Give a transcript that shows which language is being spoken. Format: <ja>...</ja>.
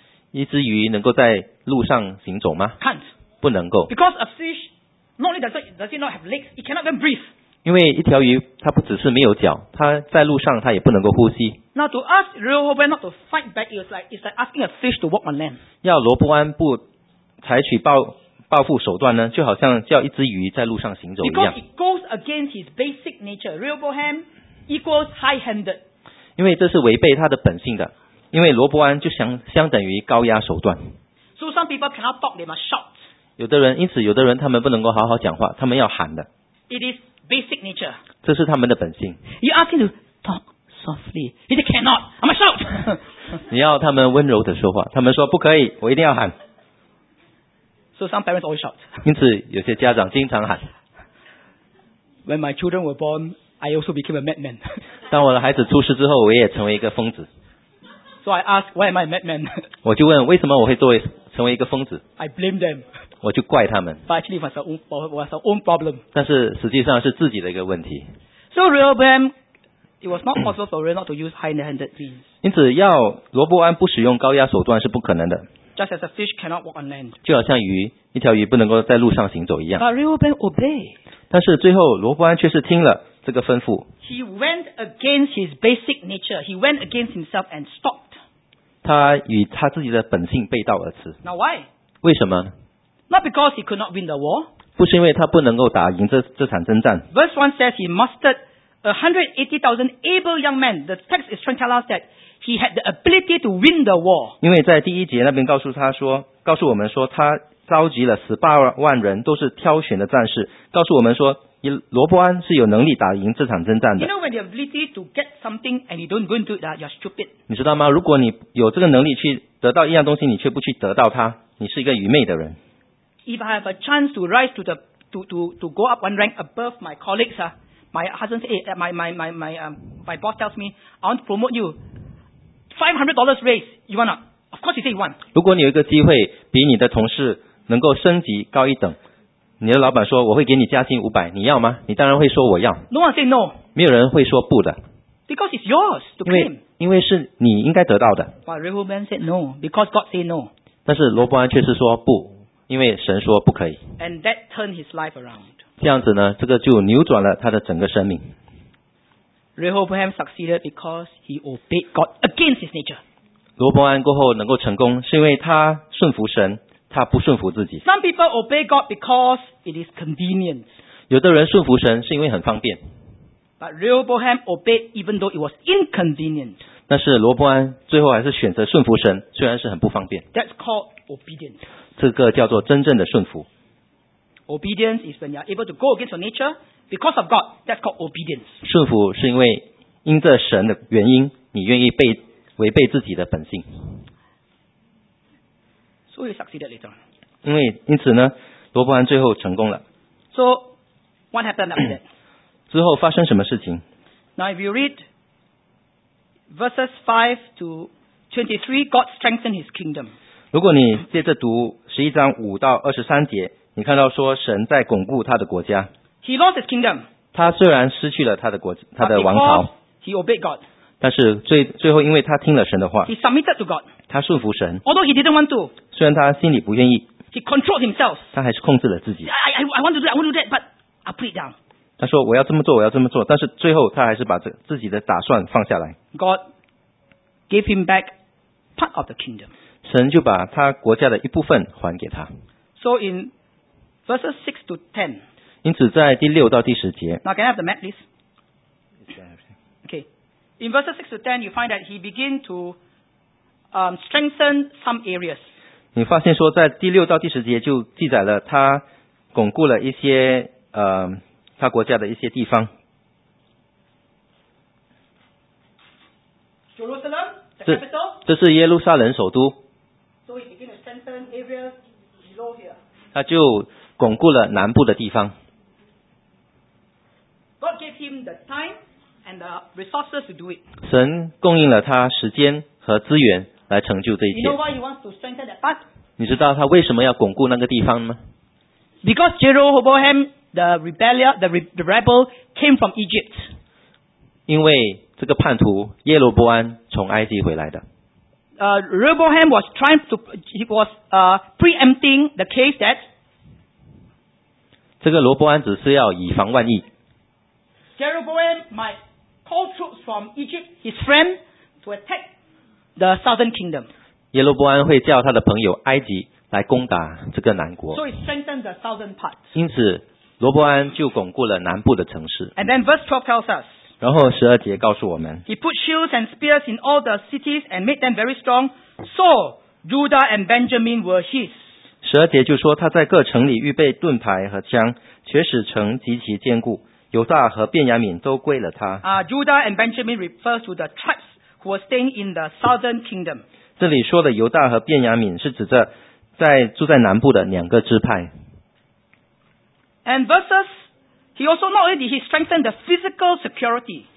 <zh>一只鱼能够在路上行走吗？</zh> <en>Can't.</en> <zh>不能够。</zh> <en>Because a fish not only does it not have legs, it cannot even breathe.</en> <zh>因为一条鱼它不只是没有脚，它在路上它也不能够呼吸。</zh> <en>Now to ask Rehoboam not to fight back, it's like asking a fish to walk on land.</en> <zh>要罗伯安不采取报复手段呢，就好像叫一只鱼在路上行走一样。</zh> <en>Because it goes against his basic nature. Rehoboam equals high-handed.</en> <zh>因为这是违背他的本性的，因为罗伯安就相等于高压手段。</zh> <en>So some people cannot talk, they must shout.</en> <zh>有的人他们不能够好好讲话，他们要喊的。</zh> <en>It is. Basic nature.</en> <zh>这是他们的本性。</zh> <en>You ask him to talk softly. He said, cannot. I must shout.</en> <zh>你要他们温柔的说话。他们说不可以，我一定要喊。</zh> <en>So some parents always shout.</en> <zh>因此有些家长经常喊。</zh> <en>When my children were born, I also became a madman.</en> <zh>当我的孩子出世之后，我也成为一个疯子。</zh> <en>So I ask, why am I a madman?</en> <zh>我就问为什么我会成为一个疯子。</zh> <en>I blame them.</en> <zh>我就怪他们。</zh> <en>But actually, it was our own problem.</en> <zh>但是实际上是自己的一个问题。</zh> <en>So Rehoboam, it was not possible for Rehoboam not to use high-handed means.</en> <zh>因此，要罗伯安不使用高压手段是不可能的。</zh> <en>Just as a fish cannot walk on land.</en> <zh>就好像鱼，一条鱼不能够在路上行走一样。</zh> <en>But Rehoboam obeyed.</en> <zh>但是最后，罗伯安却是听了这个吩咐。</zh> <en>He went against his basic nature. He went against himself and stopped.</en> <zh>他与他自己的本性背道而驰。</zh> <en>Now why?</en> <zh>为什么？</zh> <en>Not because he could not win the war.</en> <zh>不是因为他不能够打赢这场征战。</zh> <en>Verse 1 says he mustered 180,000 able young men. The text is trying to tell us that he had the ability to win the war.</en> <zh>因为在第一节那边告诉我们说他召集了十八万人，都是挑选的战士，告诉我们说罗伯安是有能力打赢这场征战的。</zh> <en>You know when you have ability to get something and you don't go and do that, you're stupid.</en> <zh>你知道吗？如果你有这个能力去得到一样东西，你却不去得到它，你是一个愚昧的人。</zh> <en>If I have a chance to rise to the to go up one rank above my colleagues, my husband says, my boss tells me, I want to promote you. $500 raise, you want? Of course, you say you want.</en> <zh>如果你有一个机会比你的同事能够升级高一等，你的老板说我会给你加薪500，你要吗？你当然会说我要。</zh> <en>No one say no.</en> <zh>没有人会说不的。</zh> <en>Because it's yours to claim.</en> <zh>因为是你应该得到的。</zh> <en>But Rehoboam said no because God said no.</en> <zh>但是罗伯安却是说不。因为神说不可以。</zh> <en>And that turned his life around.</en> <zh>这样子呢，这个就扭转了他的整个生命。</zh> <en>Rehoboam succeeded because he obeyed God against his nature.</en> <zh>罗伯安过后能够成功，是因为他顺服神，他不顺服自己。</zh> <en>Some people obey God because it is convenient.</en> <zh>有的人顺服神是因为很方便。</zh> <en>But Rehoboam obeyed even though it was inconvenient.</en> <zh>但是罗伯安最后还是选择顺服神，虽然是很不方便。</zh> <en>That's called obedience.</en> <zh>这个叫做真正的顺服。</zh> <en>Obedience is when you are able to go against your nature because of God. That's called obedience.</en> <zh>顺服是因为因着神的原因，你愿意违背自己的本性。</zh> <en>So he succeeded later.</en> <zh>因此呢，罗伯安最后成功了。</zh> <en>So what happened after that?</en> <zh>之后发生什么事情？</zh> <en>Now if you read verses 5-23, God strengthened His kingdom.</en> <zh>如果你接着读十一章五到二十三节，你看到说神在巩固他的国家。</zh> <en>He lost his kingdom.</en> <zh>他虽然失去了他的王朝。</zh> <en>He obeyed God.</en> <zh>但是最后因为他听了神的话。</zh> <en>He submitted to God.</en> <zh>他顺服神。</zh> <en>Although he didn't want to.</en> <zh>虽然他心里不愿意。</zh> <en>He controlled himself.</en> <zh>他还是控制了自己。</zh> <en>I want to do that, I want to do that, but I put it down.</en> <zh>他说我要这么做，我要这么做，但是最后他还是把自己的打算放下来。</zh> <en>God gave him back part of the kingdom.</en> <zh>神就把他国家的一部分还给他。</zh> <en>So in verses 6-10,</en> <zh>因此在第六到第十节。</zh> <en>Now can I have the map, please? Okay. In verses 6 to 10, you find that he begin to strengthen some areas.</en> <zh>你发现说在第六到第十节就记载了他巩固了一些他国家的一些地方。</zh> <en>Jerusalem, the capital.</en> <zh>这是耶路撒冷首都。</zh> <en>So he begin to strengthen areas below here.</en> <zh>他就巩固了南部的地方。</zh> <en>God gave him the time and the resources to do it.</en> <zh>神供应了他时间和资源来成就这一切。</zh> <en>You know why he wants to strengthen that part?</en> <zh>你知道他为什么要巩固那个地方吗？</zh> <en>Because Jeroboam, the rebel, came from Egypt.</en> <zh>因为这个叛徒耶罗波安从埃及回来的。</zh> <en>Jeroboam was trying to, he was preempting the case that.</en> <zh>这个罗波安只是要以防万一。</zh> <en>Jeroboam might call troops from Egypt, his friend, to attack the southern kingdom.</en> <zh>耶罗波安会叫他的朋友埃及来攻打这个南国。</zh> <en>So he strengthened the southern part.</en> <zh>因此罗波安就巩固了南部的城市。</zh> <en>And then verse 12 tells us.</en> <zh>然后十二节告诉我们。</zh> <en>He put shields and spears in all the cities and made them very strong. So Judah and Benjamin were his.</en> <zh>十二节就说他在各城里预备盾牌和枪，却使城极其坚固。犹大和便雅敏都归了他。</zh> <en>Judah and Benjamin refers to the tribes who were staying in the southern kingdom.</en> <zh>这里说的犹大和便雅敏是指着在住在南部的两个支派。</zh> <en>And verses, he also not only did he strengthen the physical security.</en>